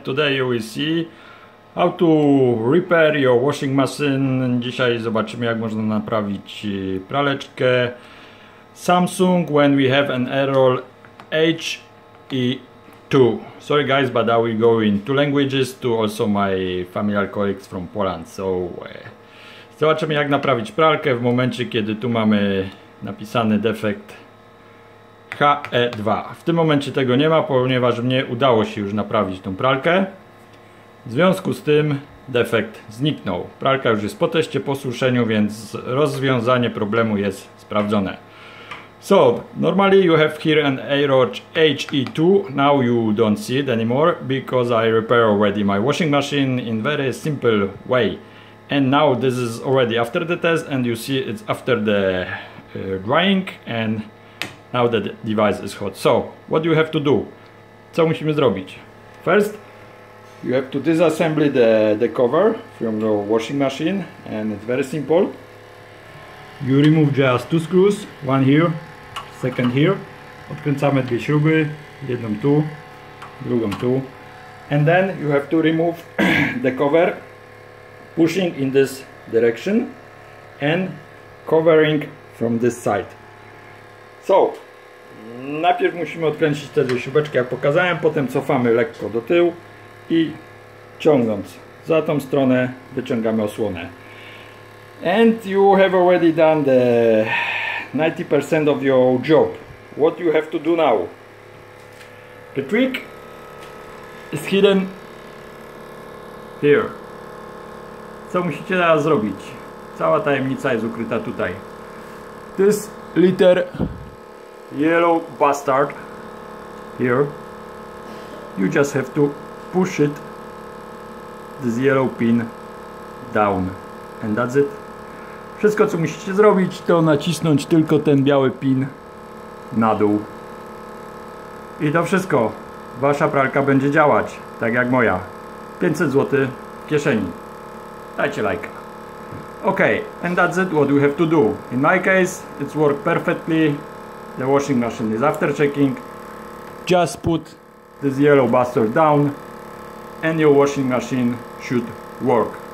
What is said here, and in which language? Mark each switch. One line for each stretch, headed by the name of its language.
English: Today we see how to repair your washing machine.
Polish: Dzisiaj zobaczymy, jak można naprawić praleczkę Samsung
English: when we have an error HE2. Sorry guys, but I will go in two languages to also my familiar colleagues from Poland.
Polish: So zobaczymy, jak naprawić pralkę w momencie, kiedy tu mamy napisany defekt HE2. W tym momencie tego nie ma, ponieważ mnie udało się już naprawić tą pralkę. W związku z tym defekt zniknął. Pralka już jest po teście, po suszeniu, więc rozwiązanie problemu jest sprawdzone.
English: So, normally you have here an error HE2. Now you don't see it anymore, because I repair already my washing machine in very simple way. And now this is already after the test, and you see it's after the drying, and now the device is hot. So, what do you have to do?
Polish: Co musimy zrobić?
English: First, you have to disassemble the cover from the washing machine, and it's very simple. You remove just two screws, one here, second here.
Polish: Odkręcamy dwie śruby, jedną tu, drugą tu.
English: And then you have to remove the cover, pushing in this direction and covering from this side.
Polish: So, najpierw musimy odkręcić te dwie śrubeczki, jak pokazałem, potem cofamy lekko do tyłu i ciągnąc za tą stronę wyciągamy osłonę.
English: And you have already done the 90% of your job. What you have to do now? The trick is hidden here.
Polish: Co musicie teraz zrobić? Cała tajemnica jest ukryta tutaj.
English: This liter yellow bastard here, you just have to push it, this yellow pin, down, and that's it.
Polish: Wszystko, co musicie zrobić, to nacisnąć tylko ten biały pin na dół i to wszystko. Wasza pralka będzie działać tak jak moja. 500 zł w kieszeni. Dajcie lajka.
English: Okay, and that's it, what we have to do. In my case, it's worked perfectly. The washing machine is after checking. Just put this yellow bastard down and your washing machine should work.